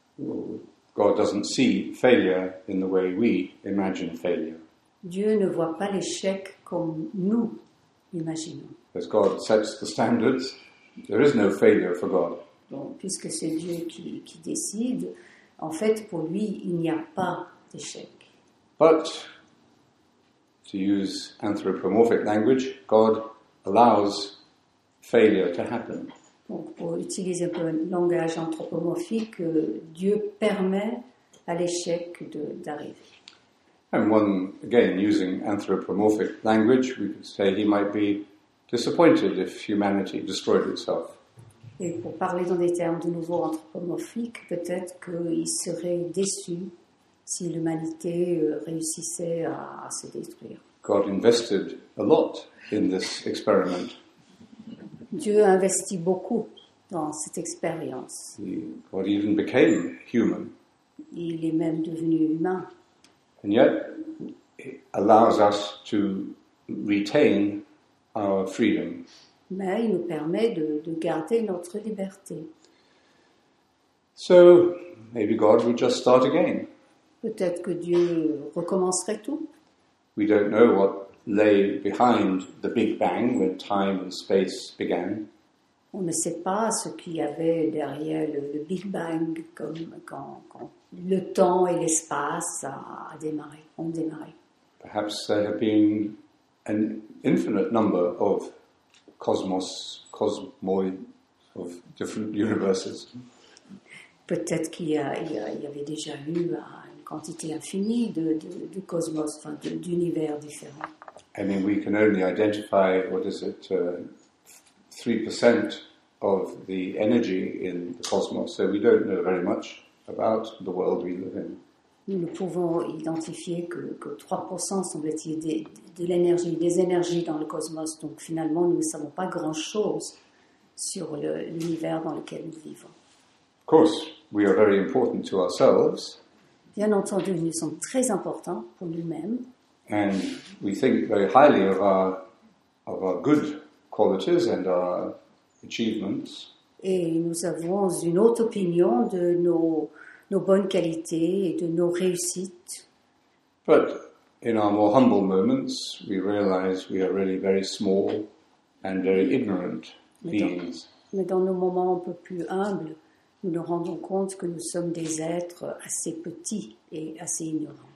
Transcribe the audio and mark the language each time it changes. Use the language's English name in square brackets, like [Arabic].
[English] God doesn't see failure in the way we imagine failure. [French] Dieu ne voit pas l'échec comme nous. [English] As God sets the standards, there is no failure for God. [French] Donc, puisque c'est Dieu qui décide, en fait, pour lui, il n'y a pas d'échec. [English] But, to use anthropomorphic language, God allows failure to happen. [French] Donc, pour utiliser un peu le langage anthropomorphique, Dieu permet à l'échec d'arriver. [English] And one, again, using anthropomorphic language, we could say he might be disappointed if humanity destroyed itself. [French] Et pour parler dans des termes de nouveau anthropomorphiques, peut-être qu'il serait déçu si l'humanité réussissait à se détruire. [English] God invested a lot in this experiment. [French] Dieu investit beaucoup dans cette expérience. [English] God even became human. [French] Il est même devenu humain. [English] And yet, allows us to retain our freedom. [French] Mais il nous permet de garder notre liberté. [English] So maybe God would just start again. [French] Peut-être que Dieu recommencerait tout. [English] We don't know what lay behind the Big Bang when time and space began. [French] On ne sait pas ce qu'il y avait derrière le Big Bang comme quand le temps et l'espace ont démarré. [English] Perhaps there have been an infinite number of cosmoids of different universes. [French] Peut-être qu'il y avait déjà eu une quantité infinie de cosmos, enfin d'univers différents. [English] I mean, we can only identify, 3% of the energy in the cosmos, so we don't know very much about the world we live in. [French] Nous ne pouvons identifier que 3% semble-t-il des énergies dans le cosmos, donc finalement nous ne savons pas grand-chose sur l'univers dans lequel nous vivons. [English] Of course, we are very important to ourselves. [French] Bien entendu, nous sommes très importants pour nous-mêmes. [English] And we think very highly of our good qualities and our achievements. [French] Et nous avons une haute opinion de nos bonnes qualités et de nos réussites. [English] But in our more humble moments, we realize we are really very small and very ignorant beings. [French] Mais dans nos moments un peu plus humbles, nous nous rendons compte que nous sommes des êtres assez petits et assez ignorants.